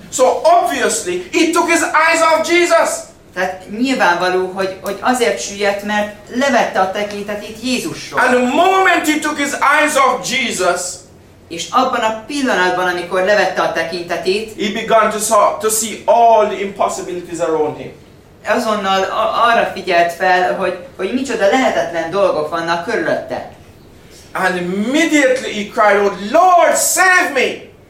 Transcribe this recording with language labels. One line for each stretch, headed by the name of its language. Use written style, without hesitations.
English: So obviously he took his eyes off Jesus.
Hungarian: Tehát nyilvánvaló, hogy azért süllyedt, mert levette a tekintetét Jézusról.
English: And the moment he took his eyes off Jesus,
Hungarian: és abban a pillanatban, amikor levette a tekintetét,
English: he began to see all the impossibilities around him.
Hungarian: Azonnal arra figyelt fel, hogy micsoda lehetetlen dolgok vannak körülötte.
English: And immediately he cried out, Lord, save me!